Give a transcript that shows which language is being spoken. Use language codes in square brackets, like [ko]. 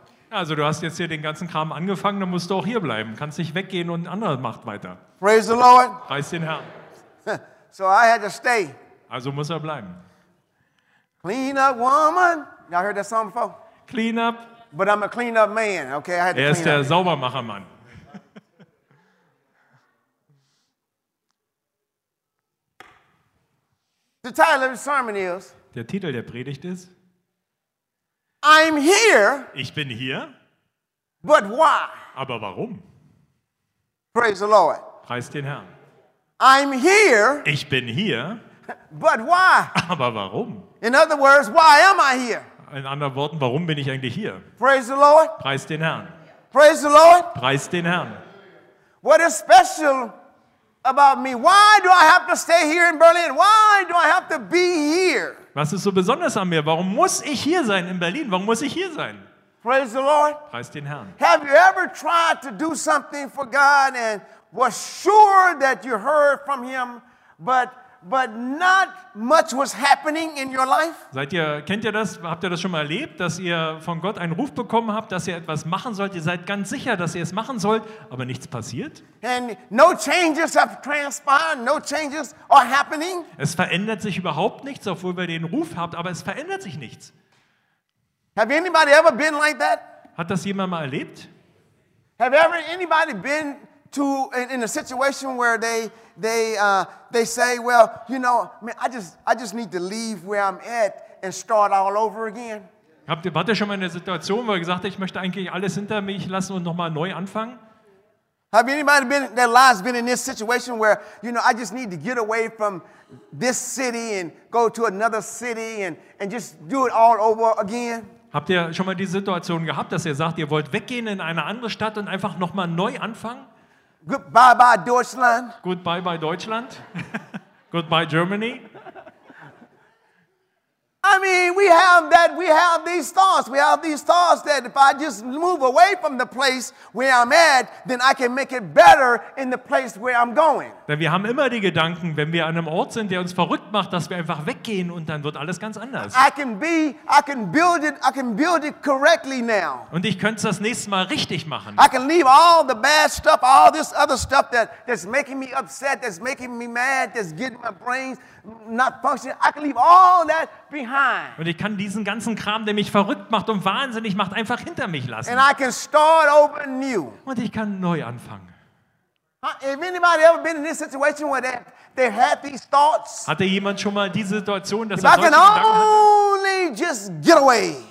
[de] Also du hast jetzt hier den ganzen Kram angefangen, dann musst du auch hier bleiben. Kannst nicht weggehen und ein anderer macht weiter. [en] Praise the Lord. [de] Preis den Herrn. [en] So I had to stay. [de] Also muss er bleiben. [en] Clean up, woman. Y'all heard that song before? Clean up. But I'm a clean up man, okay? I had to clean up. [de] Er ist der Saubermachermann. [en] The title of the sermon is. [de] Der Titel der Predigt ist. [en] I'm here. [de] Ich bin hier. [en] But why? [de] Aber warum? [en] Praise the Lord. [de] Preis den Herrn. [en] I'm here. [de] Ich bin hier. [en] But why? [de] Aber warum? [en] In other words, why am I here? [de] In anderen Worten, warum bin ich eigentlich hier? [en] Praise the Lord. [de] Preis den Herrn. [en] Praise the Lord. [de] Preis den Herrn. [en] What is special about me? Why do I have to stay here in Berlin? Why do I have to be here? [de] Was ist so besonders an mir? Warum muss ich hier sein in Berlin? Warum muss ich hier sein? [en] Praise the Lord. [de] Preis den Herrn. [en] Have you ever tried to do something for God and was sure that you heard from him, but not much was happening in your life? [de] Seid ihr, kennt ihr das? Habt ihr das schon mal erlebt, dass ihr von Gott einen Ruf bekommen habt, dass ihr etwas machen sollt? Ihr seid ganz sicher, dass ihr es machen sollt, aber nichts passiert? [en] And no changes have transpired, no changes are happening. [de] Es verändert sich überhaupt nichts, obwohl ihr den Ruf habt, aber es verändert sich nichts. [en] Have anybody ever been like that? [de] Hat das jemand mal erlebt? [en] Have ever anybody been to in a situation where they say, well, you know, man, I just need to leave where I'm at and start all over again. [de] Habt ihr schon mal in der Situation, wo ihr gesagt habt, ich möchte eigentlich alles hinter mich lassen und nochmal neu anfangen? [en] Have anybody been their lives been in this situation where, you know, I just need to get away from this city and go to another city and just do it all over again? [de] Habt ihr schon mal die Situation gehabt, dass ihr sagt, ihr wollt weggehen in eine andere Stadt und einfach nochmal neu anfangen? [en] Goodbye, bye, Deutschland. Goodbye, bye, Deutschland. Goodbye, Germany. I'm mean, we have these thoughts. We have these thoughts that if I just move away from the place where I'm at, then I can make it better in the place where I'm going. [de] Denn wir haben immer die Gedanken, wenn wir an einem Ort sind, der uns verrückt macht, dass wir einfach weggehen und dann wird alles ganz anders. [en] I can build it correctly now. [de] Und ich könnte es das nächste Mal richtig machen. [en] I can leave all the bad stuff, all this other stuff that's making me upset, that's making me mad, that's getting my brains not functioning. I can leave all that behind. [de] Und ich kann diesen ganzen Kram, der mich verrückt macht und wahnsinnig macht, einfach hinter mich lassen. [en] And I can start over new. [de] Und ich kann neu anfangen. [en] Have anybody ever been in this situation where they had these thoughts? [de] Hatte jemand schon mal diese Situation, dass er solche Gedanken hatte? [en] If I can only just get away.